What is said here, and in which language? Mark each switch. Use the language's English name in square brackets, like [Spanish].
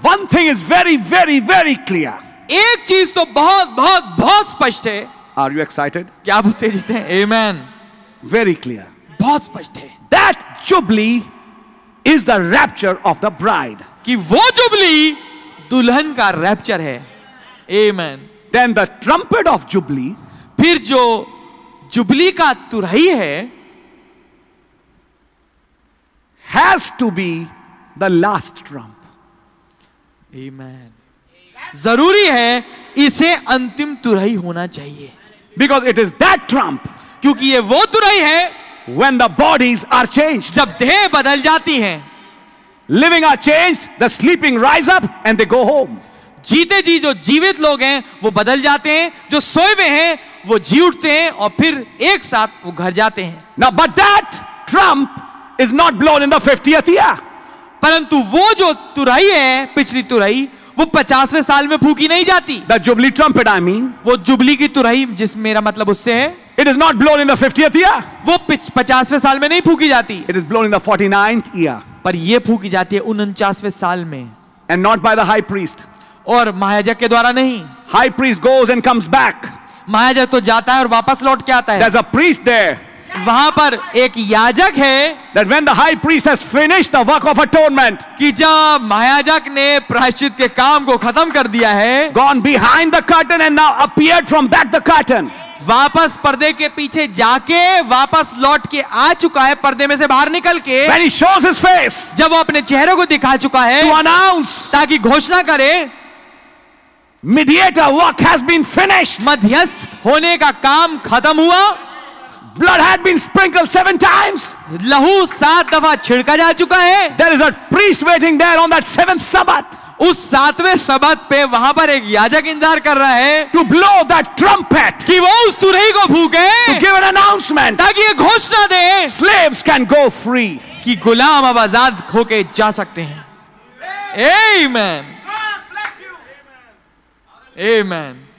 [English] One thing is very, very, very clear. [Hindi] एक चीज तो बहुत, बहुत, बहुत स्पष्ट है. [English] Are you excited? [Hindi] क्या आप उत्तेजित हैं? Amen. [English] Very clear. [Hindi] बहुत स्पष्ट है. [English] That jubilee is the rapture of the bride. [Hindi] कि वो जुबली दुल्हन का रैप्चर है. [English] Amen. Then the trumpet of jubilee. [Hindi] फिर जो जुबली का तुरही है. [English] Has to be the last trump. Amen. [Hindi] जरूरी है इसे अंतिम तुरही होना चाहिए. [English] Because it is that trump. [Hindi] क्योंकि ये वो तुरही है. [English] When the bodies are changed. [Hindi] जब देह बदल जाती हैं. [English] Living are changed, the sleeping rise up and they go home. [Hindi] जीते जी जो जीवित लोग हैं वो बदल जाते हैं, जो सोए हुए हैं वो जी उठते हैं और फिर एक साथ वो घर जाते हैं. [English] Now, but that trump is not blown in the 50th year. [Hindi] परंतु वो जो तुरही है, पिछली तुरही, वो 50वें साल में फूकी नहीं जाती. [English] The jubilee trumpet, I mean. [Hindi] वो जुबली की तुरही जिस मेरा मतलब उससे है. [English] It is not blown in the 50th year. [Hindi] वो 50वें साल में नहीं फूकी जाती. [English] It is blown in the 49th year. [Hindi] पर ये फूकी जाती है 49वें साल में. [English] And not by the high priest. [Hindi] और महायाजक के द्वारा नहीं. [English] High priest goes and comes back. [Hindi] महायाजक तो जाता है और वापस लौट के आता है. [English] There's a priest there. [Hindi] वहाँ पर एक याजक है. [English] That when the high priest has finished the work of atonement. [Hindi] कि जब महायाजक ने प्रायश्चित के काम को खत्म कर दिया है. [English] Gone behind the curtain and now appeared from back the curtain. [Hindi] वापस पर्दे के पीछे जाके वापस लौट के आ चुका है पर्दे में से बाहर निकल के. [English] When he shows his face, [Hindi] जब वो अपने चेहरे को दिखा चुका है. [English] To announce, [Hindi] ताकि घोषणा करे. [English] Mediator work has been finished. [Hindi] मध्यस्थ होने का काम खत्म हुआ. [English] Blood had been sprinkled 7 times. [Hindi] लहू 7 दफा छिड़का जा चुका है. [English] There is a priest waiting there on that seventh Sabbath. [Hindi] उस सातवें सबत पे वहां पर एक याजक इंतजार कर रहा है [English] to blow the trumpet [Hindi] कि वो उस सुरही को फूके [English] to give an announcement [Hindi] ताकि ये घोषणा दे [English] slaves can go free [Hindi] कि गुलाम अब आजाद होके जा सकते हैं आमेन आमेन